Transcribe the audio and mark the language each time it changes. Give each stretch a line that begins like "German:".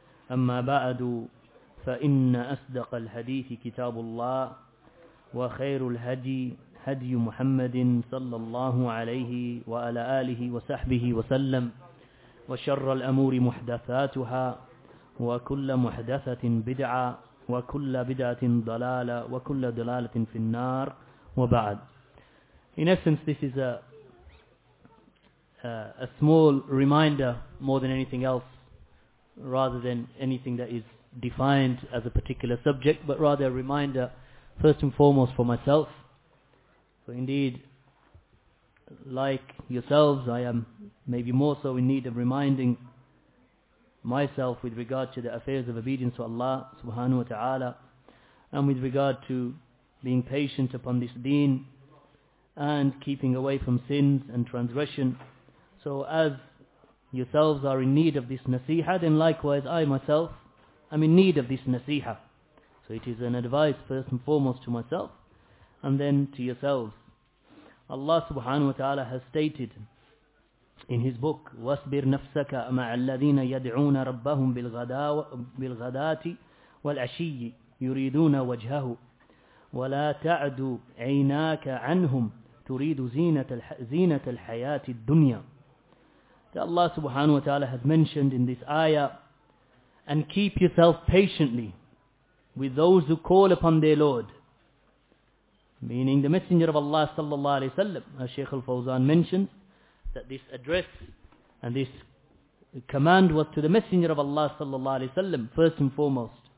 Arabic: أما بعد فإن أصدق الحديث كتاب الله وخير الهدي هدي محمد صلى الله عليه وعلى آله وصحبه وسلم وشر الأمور محدثاتها وكل محدثة بدعة وكل بدعة ضلالة وكل ضلالة في النار وبعد.
English: In essence, this is a small reminder more than anything else, rather than anything that is defined as a particular subject, but rather a reminder first and foremost for myself. So indeed, like yourselves, I am maybe more so in need of reminding myself with regard to the affairs of obedience to Allah subhanahu wa ta'ala, and with regard to being patient upon this deen and keeping away from sins and transgression. So as yourselves are in need of this nasiha, then likewise I myself am in need of this nasiha. So it is an advice first and foremost to myself and then to yourselves. Allah subhanahu wa ta'ala has stated in his book,
Arabic: وَاسْبِرْ نَفْسَكَ مَعَ الَّذِينَ يَدْعُونَ رَبَّهُمْ بِالْغَدَاةِ وَالْعَشِيِّ يُرِيدُونَ وَجْهَهُ وَلَا تَعْدُ عَيْنَاكَ عَنْهُمْ تُرِيدُ زِينَةَ الْحَيَاةِ الدُّنْيَا.
English: That Allah subhanahu wa ta'ala has mentioned in this ayah, and keep yourself patiently with those who call upon their Lord, meaning the Messenger of Allah sallallahu alayhi wa sallam. As Shaykh al-Fawzan mentioned, that this address and this command was to the Messenger of Allah sallallahu alayhi wa sallam, first and foremost.